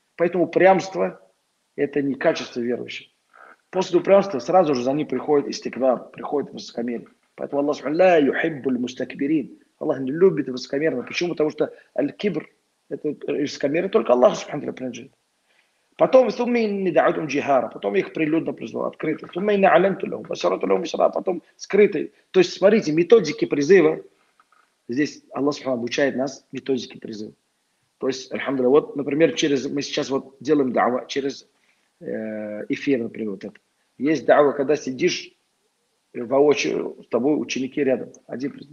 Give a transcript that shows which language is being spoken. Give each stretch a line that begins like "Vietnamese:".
Russian: Поэтому упрямство – это не качество верующих. После упрямства сразу же за ним приходит истикбар, приходит высокомерие. Поэтому Аллах субхана ва тааля
Arabic: юхиббу аль-мустакбирин.
Russian: Аллах не любит высокомерных. Почему? Потому что аль-кибр – это высокомерие, только Аллах субхана ва тааля принадлежит. Потом
Arabic: ثم إني دعوتهم جهارا,
Russian: потом их прилюдно призвал, открыто.
Arabic: ثم إني أعلنت لهم وأسررت لهم إسرارا,
Russian: потом скрыто. То есть смотрите, методики призыва. Здесь Аллах Субхану обучает нас методике призыва. То есть, альхамдулилля, вот, например, через мы сейчас вот делаем дава через эфир, например, вот это. Есть дава, когда сидишь воочию, с тобой ученики рядом. Один призыв.